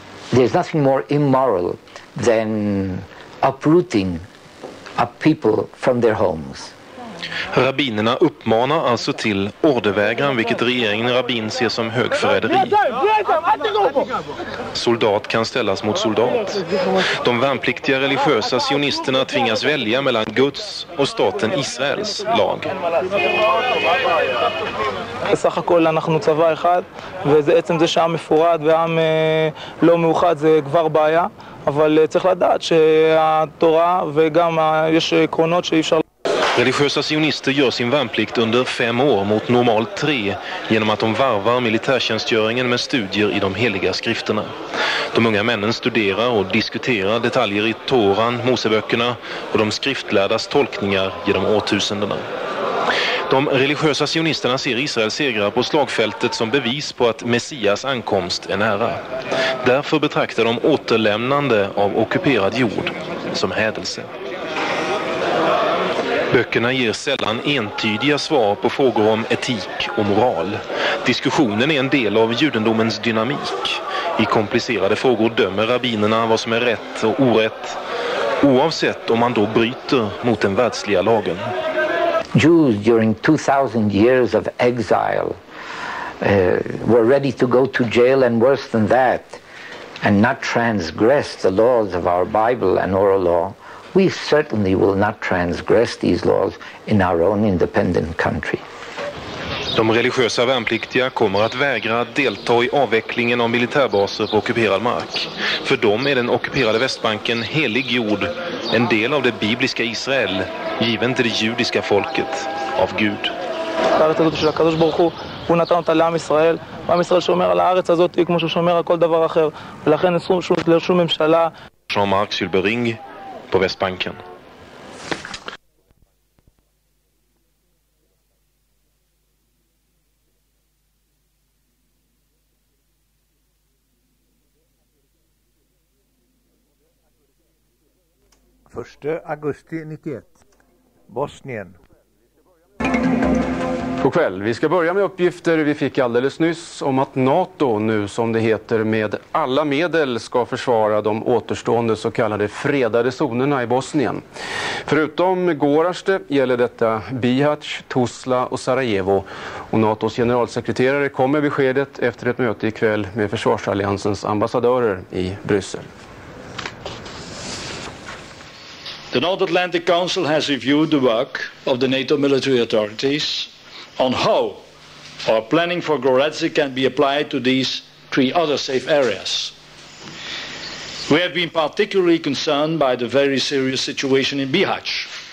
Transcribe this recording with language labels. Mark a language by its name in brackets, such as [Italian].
[English] There's nothing more immoral than uprooting a people from their homes. [Swedish] Rabbinerna uppmanar alltså till ordervägran, vilket regeringen rabbin ser som högförräderi. Soldat kan ställas mot soldat. De värnpliktiga religiösa sionisterna tvingas välja mellan Guds och staten Israels lag. [Hebrew] סך הכל אנחנו צבא אחד, וזה עצם זה שעם מפורד ועם לא מאוחד זה כבר בעיה, אבל צריך לדעת שהתורה וגם יש עקרונות שאי אפשר... [Swedish] Religiösa sionister gör sin värnplikt under 5 år mot normalt 3 genom att de varvar militärtjänstgöringen med studier i de heliga skrifterna. De unga männen studerar och diskuterar detaljer i Toran, Moseböckerna och de skriftlärdas tolkningar genom årtusendena. De religiösa sionisterna ser Israels segrar på slagfältet som bevis på att Messias ankomst är nära. Därför betraktar de återlämnande av ockuperad jord som hädelse. Böckerna ger sällan entydiga svar på frågor om etik och moral. Diskussionen är en del av judendomens dynamik. I komplicerade frågor dömer rabbinerna vad som är rätt och orätt, oavsett om man då bryter mot den världsliga lagen. [English] Jews during 2000 years of exile were ready to go to jail and worse than that and not transgress the laws of our Bible and oral law. We certainly will not transgress these laws in our own independent country. [Swedish] De religiösa värnpliktiga kommer att vägra delta i avvecklingen av militärbaser på ockuperad mark. För dem är den ockuperade Västbanken helig jord, en del av det bibliska Israel, given till det judiska folket av Gud. [Hebrew] הוא נתן אותה לעם ישראל, ועם ישראל שומר על הארץ הזאת כמו שהוא שומר על כל דבר אחר, ולכן נסו לרשום ממשלה. [Swedish] Jean-Marc Silbering på Västbanken. Första augusti 91. Bosnien. God kväll. Vi ska börja med uppgifter vi fick alldeles nyss om att NATO nu, som det heter, med alla medel ska försvara de återstående så kallade fredade zonerna i Bosnien. Förutom Gorazde gäller detta Bihać, Tuzla och Sarajevo. Och NATOs generalsekreterare kom med beskedet efter ett möte ikväll med försvarsalliansens ambassadörer i Bryssel. [English] The North Atlantic Council has reviewed the work of the NATO military authorities on how our planning for Gorazde can be applied to these three other safe areas. We have been particularly concerned by the very serious situation in Bihać.